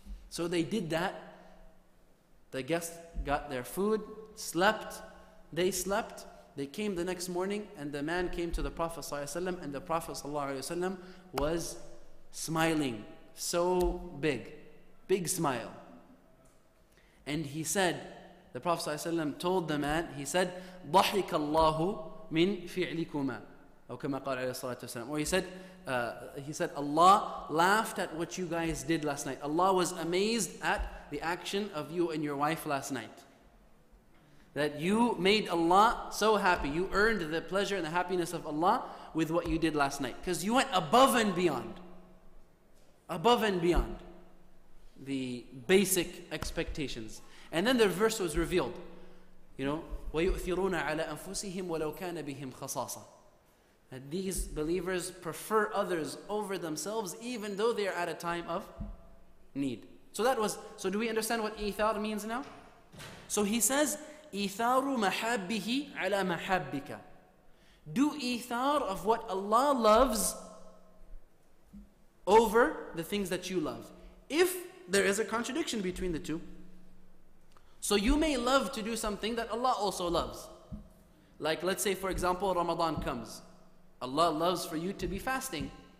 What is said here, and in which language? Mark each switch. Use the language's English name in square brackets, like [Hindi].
[English] So they did that. The guest got their food, slept, they slept. They came the next morning and the man came to the Prophet ﷺ and the Prophet ﷺ was smiling so big smile. And he said, the Prophet ﷺ told the man, he said, [Arabic] ضَحِكَ اللَّهُ مِنْ فِعْلِكُمَا أو كَمَا قَالَ عَلَيْهِ الصَّلَاةُ وَسَلَامُ. [English] Or he said, Allah laughed at what you guys did last night. Allah was amazed at the action of you and your wife last night. That you made Allah so happy. You earned the pleasure and the happiness of Allah with what you did last night. Because you went above and beyond. Above and beyond the basic expectations. And then the verse was revealed. [Arabic] وَيُؤْثِرُونَ عَلَىٰ أَنفُسِهِمْ وَلَوْ كَانَ بِهِمْ خَصَاصًا. [English] That these believers prefer others over themselves even though they are at a time of need. So do we understand what إِثَار means now? So he says, [Arabic] إِثَارُ مَحَابِّهِ عَلَى مَحَابِّكَ. [English] Do إِثَار of what Allah loves over the things that you love. If there is a contradiction between the two. So you may love to do something that Allah also loves. Like let's say for example, Ramadan comes. Allah loves for you to be fasting.